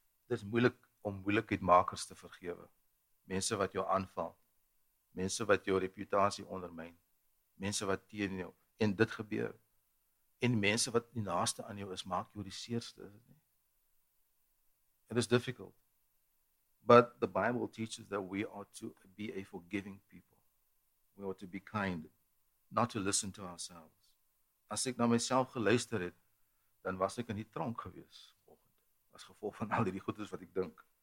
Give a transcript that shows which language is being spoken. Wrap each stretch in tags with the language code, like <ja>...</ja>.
<af>Dit is moeilik om moeilikheidmakers te vergewe. Mense wat jou aanval, mense wat jou reputasie ondermyn, mense wat teen jou, en dit gebeur. En mense wat die naaste aan jou is, maak jou die seerste.</af> <en>It is difficult. But the Bible teaches that we ought to be a forgiving people. We ought to be kind, not to listen to ourselves.</en> <af>As ek na myself geluister het, dan was ek in die tronk gewees. As gevolg van al die goedes wat ek dink.</af>